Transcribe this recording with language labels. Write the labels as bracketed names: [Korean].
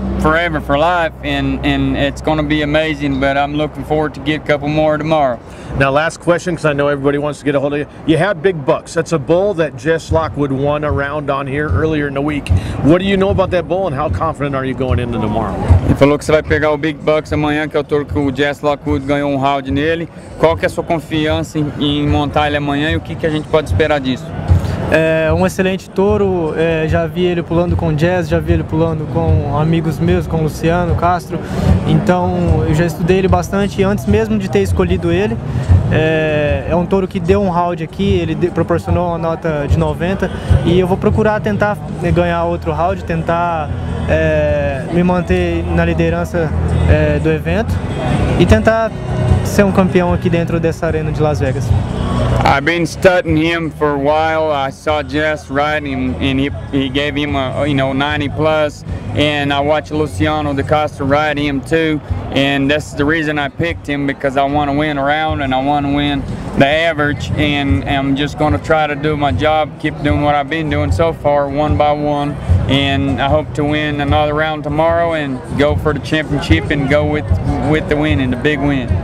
[English] forever for life, and it's going to be amazing, but I'm looking forward to get a couple more tomorrow. Now, last question, because I know everybody wants to get a hold of you. You have Big Bucks. That's a bull that Jess Lockwood won a round on here earlier in the week. What do you know about that bull, and how confident are you going into tomorrow? If it looks like I [Portuguese] pegar o Big Bucks amanhã, que eu tô com o Jess Lockwood, ganhou round nele. Qual que é a sua confiança em montar ele amanhã, e o que que a gente pode esperar disso? É um excelente touro, é, já vi ele pulando com Jazz, já vi ele pulando com amigos meus, com Luciano Castro. Então eu já estudei ele bastante antes mesmo de ter escolhido ele. É um touro que deu um round aqui, ele proporcionou uma nota de 90. E eu vou procurar tentar ganhar outro round, tentar me manter na liderança do evento e tentar ser um campeão aqui dentro dessa arena de Las Vegas. [English] I've been studying him for a while. I saw Jess riding him, and he gave him a 90 plus, and I watched Luciano de Costa ride him too, and that's the reason I picked him, because I want to win a round and I want to win the average, and I'm just going to try to do my job, keep doing what I've been doing so far, one by one, and I hope to win another round tomorrow and go for the championship and go with the win and the big win.